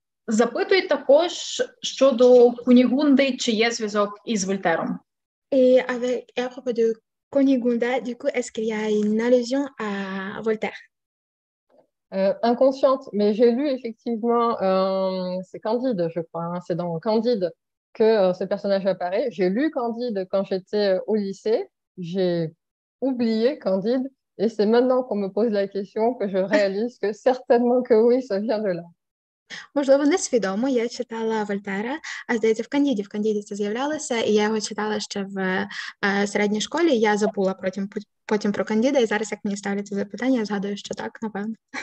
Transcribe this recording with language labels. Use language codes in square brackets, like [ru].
[uk] Запитують також щодо Кунігунди, чи є зв'язок із Вольтером. [fr] І а propos de Кунігунда, du coup, est-ce qu'il y a une allusion à Voltaire? Inconsciente, mais j'ai lu effectivement, c'est Candide, je crois, hein, c'est dans Candide que ce personnage apparaît. J'ai lu Candide quand j'étais au lycée, j'ai oublié Candide, et c'est maintenant qu'on me pose la question que je réalise que certainement que oui, ça vient de là. [uk] Можливо, несвідомо, я читала Вольтера, а здається, в Кандіді це з'являлося, і я його читала ще в середній школі, я забула потім про Кандіда, і зараз, як мені ставляться запитання, я згадую, що так, напевно.